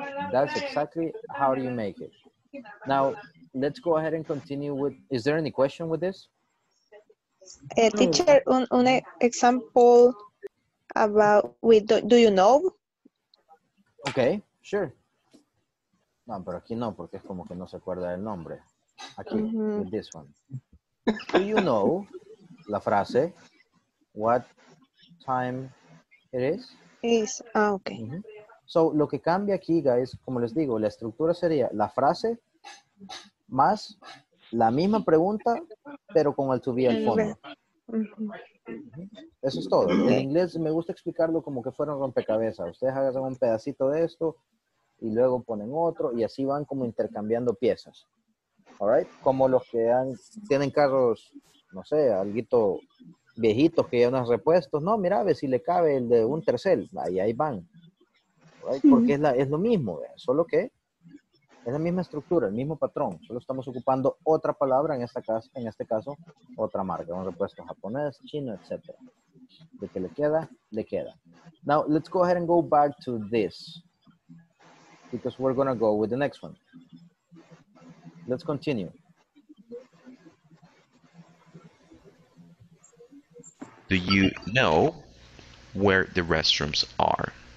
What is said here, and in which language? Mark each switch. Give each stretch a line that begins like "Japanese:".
English: That's exactly how you make it. Now, let's go ahead and continue with, is there any question with this? Teacher,
Spanish: un
English: example about with do you know? Okay, sure.
Spanish: No, pero aquí no, porque es como que no se acuerda del nombre.
English: Aquí, with this one. Do you know la frase? What time it is? Is, ah, okay. Mm-hmm.
Spanish: So, lo que cambia aquí,
English: guys,
Spanish: como les digo, la estructura sería la frase más la misma pregunta, pero con el to be al fondo. Eso es todo. En inglés me gusta explicarlo como que fueron rompecabezas. Ustedes agarran un pedacito de esto y luego ponen otro y así van como intercambiando piezas.
English: All right?
Spanish: Como los que tienen carros, no sé, alguito viejitos que ya no han repuesto. No, mira, ve si le cabe el de un tercer. Ahí van.
English: Right?
Spanish: Porque es lo mismo, ¿ve? Solo que es la misma estructura, el mismo patrón. Solo estamos ocupando otra palabra, en este caso, otra marca. Un repuesto japonés, chino, etc. De que le queda, le queda.
English: Now, let's go ahead and go back to this. Because we're going to go with the next one. Let's continue. Do you know where the restrooms are?